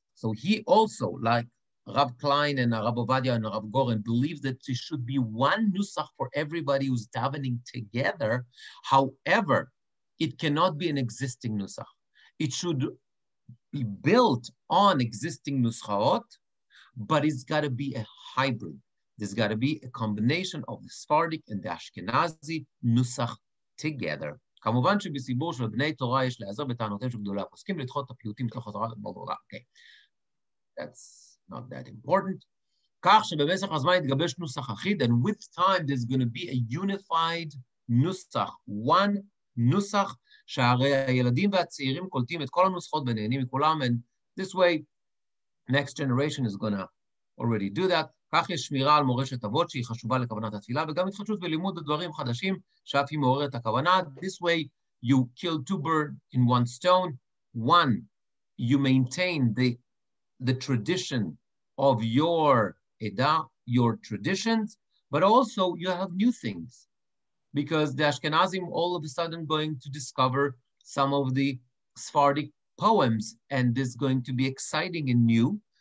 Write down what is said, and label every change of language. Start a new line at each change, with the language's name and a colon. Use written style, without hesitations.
English: So he also, like Rab Klein and Rab Ovadia and Rab Gorin, believes that there should be one nusach for everybody who's davening together. However, it cannot be an existing nusach. It should be built on existing nuschaot, but it's got to be a hybrid. There's got to be a combination of the Sephardic and the Ashkenazi nusach together.
Hebrew: כמובן שבסיבור של בני תורה יש לעזר בטענותם של גדולי הפוסקים לדחות את הפיוטים לתוך התורה, בלה בלה בלה, okay.
English: That's not that important.
Hebrew: כך שבמשך הזמן יתגבש נוסח אחיד,
English: and with time there's going to be a unified נוסח, one נוסח,
Hebrew: שהרי הילדים והצעירים קולטים את כל הנוסחות ונהנים מכולם,
English: and this way, next generation is going to already do that.
Hebrew: כך יש שמירה על מורשת אבות שהיא חשובה לכוונת התפילה, וגם התחדשות ולימוד הדברים חדשים שאף היא מעוררת הכוונה.
English: This way, you kill two birds in one stone. One, you maintain the tradition of your Eda, your traditions, but also you have new things. Because the Ashkenazim all of a sudden going to discover some of the Sephardic poems, and this is going to be exciting and new.